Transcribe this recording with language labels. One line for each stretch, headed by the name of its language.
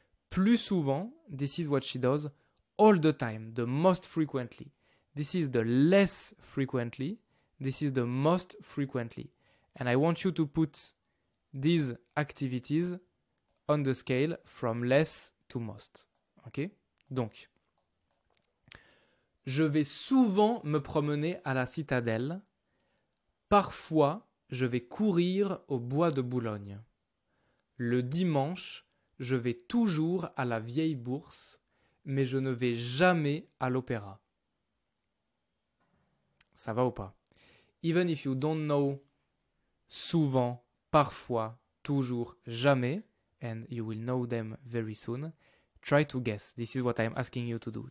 French: Plus souvent,
English: this is what she does all the time, the most frequently. This is the less frequently. This is the most frequently. And I want you to put these activities on the scale from less to most. OK?
French: Donc, je vais souvent me promener à la citadelle. Parfois, je vais courir au bois de Boulogne. Le dimanche, je vais toujours à la vieille bourse, mais je ne vais jamais à l'opéra. Ça va ou pas?
English: Even if you don't know souvent, parfois, toujours, jamais, and you will know them very soon, try to guess. This is what I'm asking you to do.